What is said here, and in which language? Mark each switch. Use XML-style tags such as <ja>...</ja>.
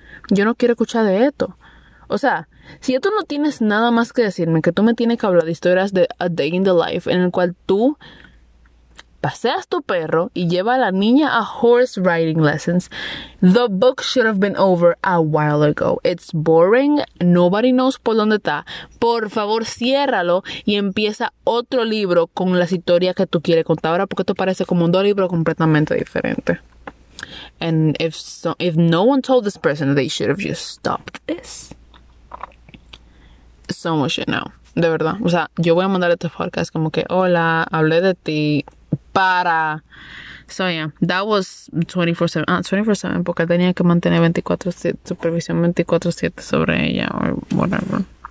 <es>Yo no quiero escuchar de esto. O sea, si tú no tienes nada más que decirme, que tú me tienes que hablar de historias de A Day in the Life, en el cual tú paseas tu perro y lleva a la niña a</es> <en>horse riding lessons, the book should have been over a while ago. It's boring. Nobody knows</en> <es>por dónde está. Por favor, ciérralo y empieza otro libro con las historias que tú quieres contar ahora, porque esto parece como un dos libros completamente diferentes.</es> <en>And if no one told this person, they should have just stopped this. So much shit now.</en> <es>De verdad. O sea, yo voy a mandar este podcast como que, hola, hablé de ti. Para.</es> <en>So yeah, that was</en> <es>24/7. 24/7, porque tenía que mantener 24/7, supervisión 24/7 sobre ella,</es> <en>or whatever.</en>